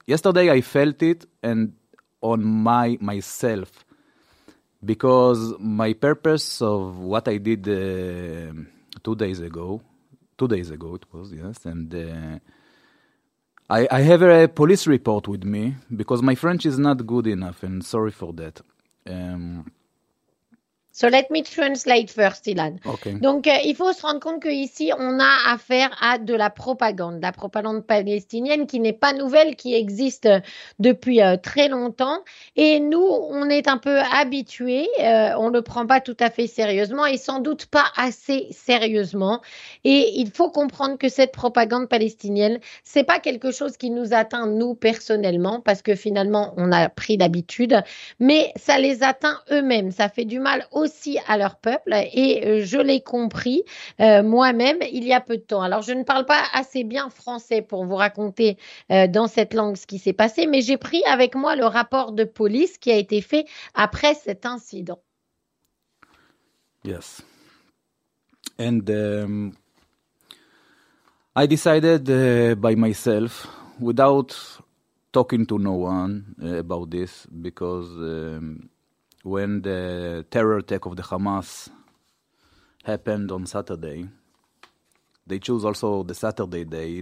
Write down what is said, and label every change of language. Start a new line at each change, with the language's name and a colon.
English: Yesterday I felt it, and on myself, because my purpose of what I did 2 days ago it was, yes, and I have a police report with me because my French is not good enough, and sorry for that. So let me translate first, Ilan. Okay.
French: Donc, il faut se rendre compte qu'ici, on a affaire à de la propagande palestinienne qui n'est pas nouvelle, qui existe depuis très longtemps. Et nous, on est un peu habitués, on ne le prend pas tout à fait sérieusement et sans doute pas assez sérieusement. Et il faut comprendre que cette propagande palestinienne, ce n'est pas quelque chose qui nous atteint, nous, personnellement, parce que finalement, on a pris l'habitude, mais ça les atteint eux-mêmes, ça fait du mal aussi à leur peuple, et je l'ai compris moi-même il y a peu de temps. Alors, je ne parle pas assez bien français pour vous raconter dans cette langue ce qui s'est passé, mais j'ai pris avec moi le rapport de police qui a été fait après cet incident.
English: Yes. And I decided by myself, without talking to no one about this, because when the terror attack of the Hamas happened on Saturday, they chose also the Saturday day.